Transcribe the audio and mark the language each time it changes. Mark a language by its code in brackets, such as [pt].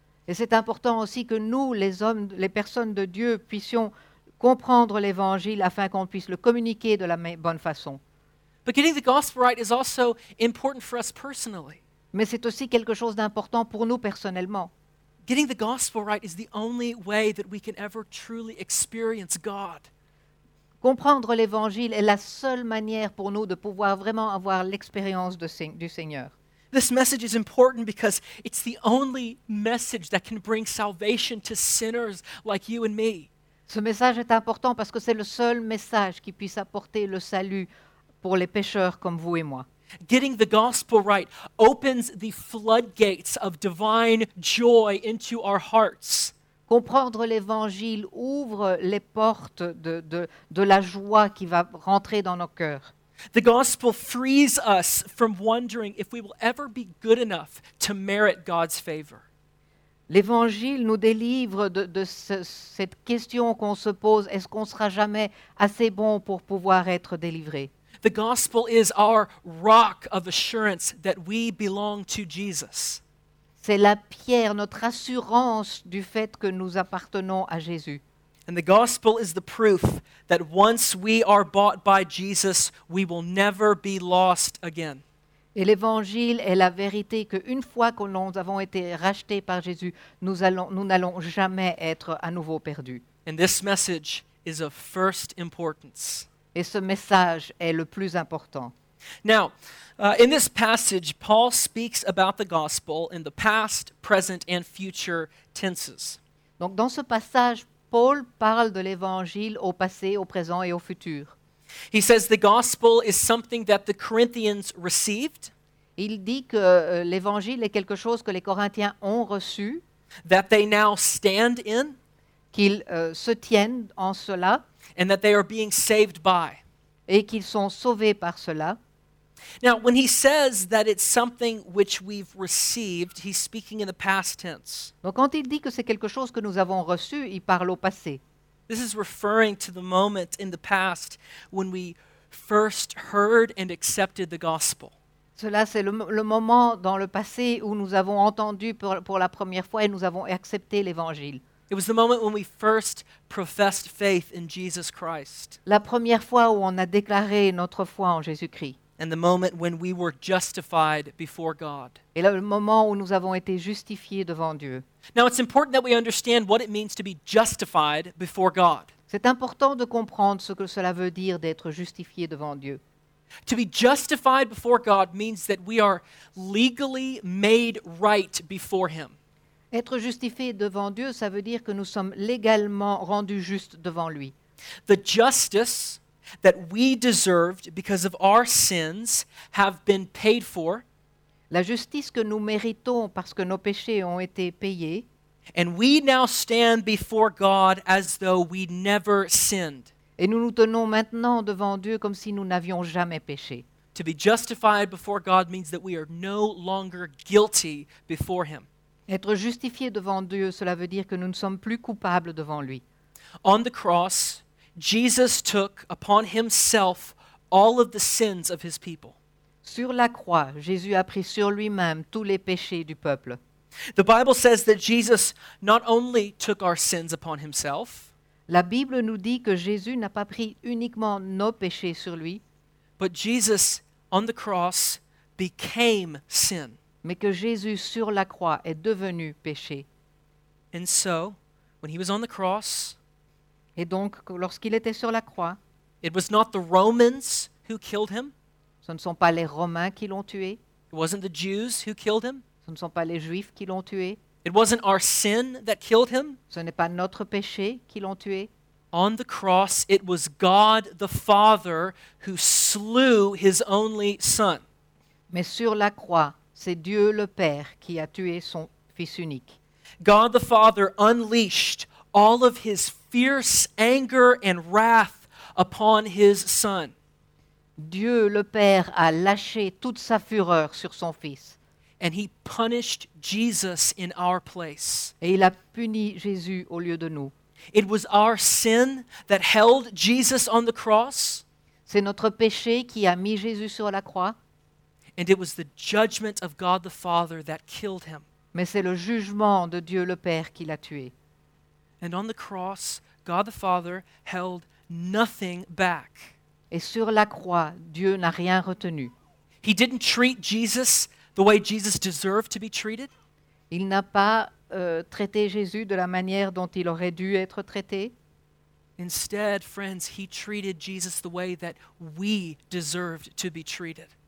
[fr] Et c'est important aussi que nous, les hommes, les personnes de Dieu, puissions comprendre l'évangile afin qu'on puisse le communiquer de la bonne façon. [en] But getting the gospel right is also important for us personally. [fr] Mais c'est aussi quelque chose d'important pour nous personnellement. [en] Getting the gospel right is the only way that we can ever truly experience God. [fr] Comprendre l'évangile est la seule manière pour nous de pouvoir vraiment avoir l'expérience du Seigneur. [en] This message is important because it's the only message that can bring salvation to sinners like you and me. [fr] Ce message est important parce que c'est le seul message qui puisse apporter le salut pour les pécheurs comme vous et moi. [en] Getting the gospel right opens the floodgates of divine joy into our hearts. [fr] Comprendre l'évangile ouvre les portes de la joie qui va rentrer dans nos cœurs. [en] The gospel frees us from wondering if we will ever be good enough to merit God's favor. [fr] L'évangile nous délivre cette question qu'on se pose, est-ce qu'on sera jamais assez bon pour pouvoir être délivré? [en] The gospel is our rock of assurance that we belong to Jesus. [fr] C'est la pierre, notre assurance du fait que nous appartenons à Jésus. [en] And the gospel is the proof that once we are bought by Jesus, we will never be lost again. [fr] Et l'évangile est la vérité que une fois que nous avons été rachetés par Jésus, nous n'allons jamais être à nouveau perdus. [en] And this message is of first importance. [fr] Et ce message est le plus important. [en] Now, in this passage, Paul speaks about the gospel in the past, present, and future tenses. [fr] Donc, dans ce passage, Paul parle de l'évangile au passé, au présent et au futur. [en] He says the gospel is something that the Corinthians received. [fr] Il dit que l'évangile est quelque chose que les Corinthiens ont reçu. [en] That they now stand in. [fr] Qu'ils se tiennent en cela. [en] And that they are being saved by. [fr] Et qu'ils sont sauvés par cela. [en] Now, when he says that it's something which we've received, he's speaking in the past tense. [fr] Donc, quand il dit que c'est quelque chose que nous avons reçu, il parle au passé. [en] This is referring to the moment in the past when we first heard and accepted the gospel. [fr] Cela, c'est le moment dans le passé où nous avons entendu pour la première fois et nous avons accepté l'évangile. [en] It was the moment when we first professed faith in Jesus Christ. [fr] La première fois où on a déclaré notre foi en Jésus-Christ. [en] And the moment when we were justified before God. [fr] Et le moment où nous avons été justifiés devant Dieu. [en] Now it's important that we understand what it means to be justified before God. [fr] C'est important de comprendre ce que cela veut dire d'être justifié devant Dieu. [en] To be justified before God means that we are legally made right before Him. [fr] Être justifié devant Dieu, ça veut dire que nous sommes légalement rendus justes devant lui. [en] The justice that we deserved because of our sins have been paid for. [fr] La justice que nous méritons parce que nos péchés ont été payés. [en] And we now stand before God as though we never sinned. [fr] Et nous nous tenons maintenant devant Dieu comme si nous n'avions jamais péché. [en] To be justified before God means that we are no longer guilty before Him. [fr] Être justifié devant Dieu, cela veut dire que nous ne sommes plus coupables devant lui. [en] On the cross, Jesus took upon himself all of the sins of his people. [fr] Sur la croix, Jésus a pris sur lui-même tous les péchés du peuple. [en] The Bible says that Jesus not only took our sins upon himself. [fr] La Bible nous dit que Jésus n'a pas pris uniquement nos péchés sur lui. [en] But Jesus on the cross became sin. [fr] Mais que Jésus sur la croix est devenu péché. [en] And so, when he was on the cross, [fr] et donc lorsqu'il était sur la croix, [en] it was not the Romans who killed him. [fr] Ce ne sont pas les Romains qui l'ont tué. [en] It wasn't the Jews who killed him. [fr] Ce ne sont pas les Juifs qui l'ont tué. [en] It wasn't our sin that killed him. [fr] Ce n'est pas notre péché qui l'ont tué. [en] On the cross, it was God the Father who slew his only son. [fr] Mais sur la croix, c'est Dieu le Père qui a tué son Fils unique. [en] God the Father unleashed all of his fierce anger and wrath upon his Son. [fr] Dieu le Père a lâché toute sa fureur sur son Fils. [en] And he punished Jesus in our place. [fr] Et il a puni Jésus au lieu de nous. [en] It was our sin that held Jesus on the cross. [fr] C'est notre péché qui a mis Jésus sur la croix. [en] And it was the judgment of God the Father that killed him. [fr] Mais c'est le jugement de Dieu le Père qui l'a tué. [en] And on the cross, God the Father held nothing back. [fr] Et sur la croix, Dieu n'a rien retenu. [en] He didn't treat Jesus the way Jesus deserved to be treated. [fr] Il n'a pas traiter Jésus de la manière dont il aurait dû être traité. [en] Instead, friends, he treated Jesus the way that we deserved to be treated.